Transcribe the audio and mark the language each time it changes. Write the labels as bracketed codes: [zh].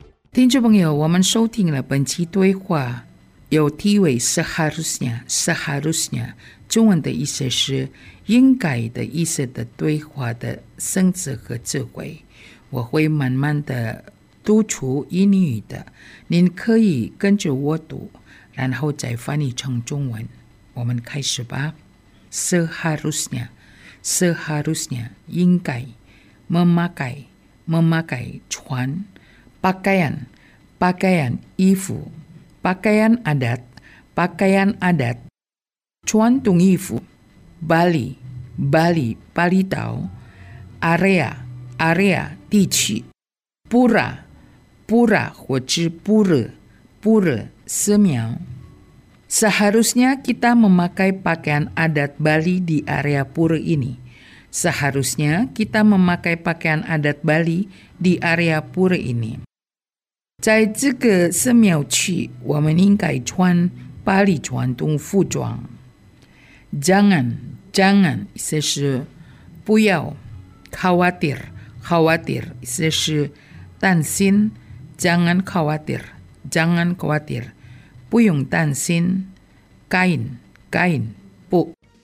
[zh] 听众朋友，我们收听了本期对话，有题为 [id] Seharusnya， Seharusnya [zh] 中文的意思是应该的意思的对话的生词和智慧。我会慢慢的读出英语的，您可以跟着我读，然后再翻译成中文。我们开始吧。 [id] Seharusnya， Seharusnya [zh] 应该， [id] memakai， memakai [zh] 穿， [id] pakaian， pakaian [zh] 衣服， [id] pakaian adat， pakaian adat [zh] 传统衣服， [id] Bali, Bali, Palitau, area, area, [zh] 地区 [id] ，pura, pura, [zh] 或者 [id] pura, pura, [zh] 寺庙。 [id] Seharusnya kita memakai pakaian adat Bali di area pura ini. Seharusnya kita memakai pakaian adat Bali di area pura ini. [zh] 在这个寺庙区，我们应该穿巴黎传统服装。 [id] Jangan, jangan, [zh] 意思是不要。 [id] Khawatir, khawatir, [zh] 意思是担心。 [id] Jangan khawatir, jangan khawatir, [zh] 不用担心。 [id] Kain, kain, [zh] 布。